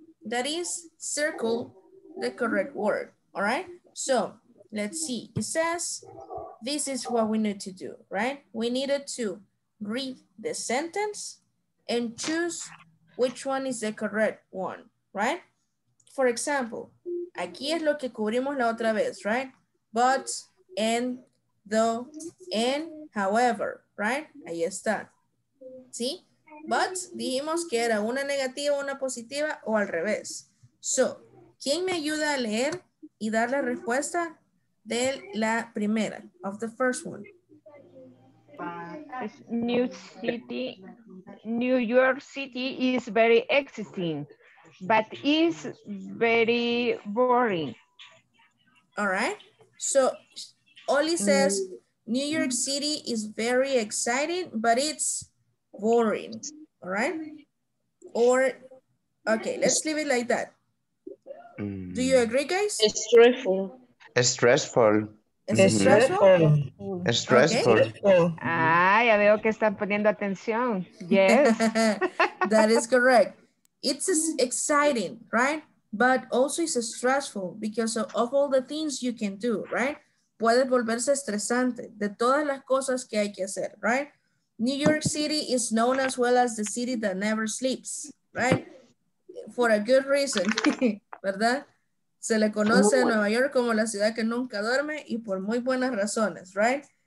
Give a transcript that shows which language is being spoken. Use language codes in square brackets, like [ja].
[en] That is circle the correct word. All right? So, let's see, it says, this is what we need to do, right? We needed to read the sentence and choose which one is the correct one, right? For example, [es] aquí es lo que cubrimos la otra vez, right? [en] But, and, though, and, however, right? [es] Ahí está, ¿sí? But dijimos que era una negativa, una positiva o al revés. So, ¿quién me ayuda a leer y dar la respuesta de la primera? [en] Of the first one. New York City is very exciting, but is very boring. All right. So, Oli says New York City is very exciting, but it's boring. All right. Or, okay, let's leave it like that. Do you agree, guys? It's stressful. It's stressful. Mm-hmm. Stressful. [es] Okay. Ah, ya veo que están poniendo atención. Yes. [en] That is correct. It's exciting, right? But also it's stressful because of all the things you can do, right? [es] Puede volverse estresante de todas las cosas que hay que hacer, right? [en] New York City is known as well as the city that never sleeps, right? For a good reason, ¿verdad? [es] Se le conoce a Nueva York como la ciudad que nunca duerme y por muy buenas razones, right?